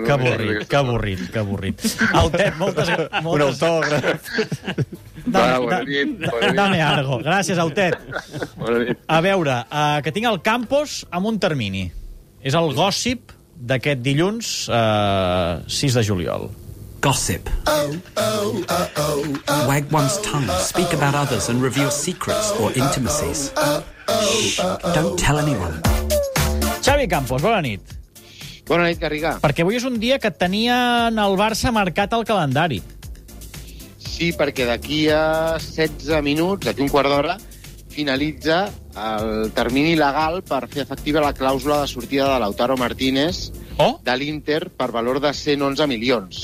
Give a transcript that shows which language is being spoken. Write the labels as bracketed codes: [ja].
[ca] Que avorrit, no? que avorrit. El Tep, moltes... Un autògraf. [es] Dame algo. [ca] Gràcies, Autet. A veure, que tinc el Campos amb un termini. És el gossip d'aquest dilluns 6 de juliol. Gossip. [en] Wag one's tongue, speak about others and reveal secrets or intimacies. Shh, don't tell anyone. [ca] Xavi Campos, bona nit. Bona nit, Garriga. Perquè avui és un dia que tenien el Barça marcat al calendari. Sí, perquè d'aquí a 16 minuts, d'aquí un quart d'hora, finalitza el termini legal per fer efectiva la clàusula de sortida de Lautaro Martínez de l'Inter per valor de 111 milions.